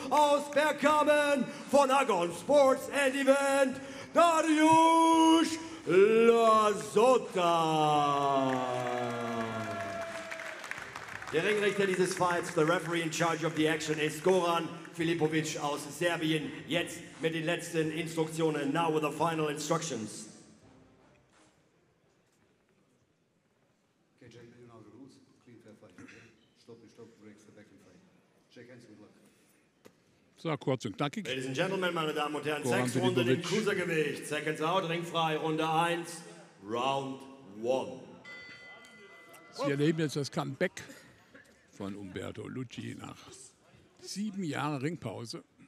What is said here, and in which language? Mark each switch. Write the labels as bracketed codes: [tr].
[de] aus Bergkamen von Agon Sports and Event, Dariusz Lasota. Der Ringrichter dieses Fights, [en] the referee in charge of the action, [de] ist Goran Filipovic aus Serbien. Jetzt mit den letzten Instruktionen. [en] Now with the final instructions. Okay, Jack, now the rules. Clean, fair fight. Okay? Stop, stop, break, step back and fight. Jack, hands, good luck. [de] So, kurz und knackig. [en] Ladies and gentlemen, [de] meine Damen und Herren, 6 Runden im Cruisergewicht. [en] Seconds out, [de] ringfrei, Runde 1, [en] Round 1. [de] Sie erleben jetzt das Comeback von Umberto Lucci nach 7 Jahren Ringpause.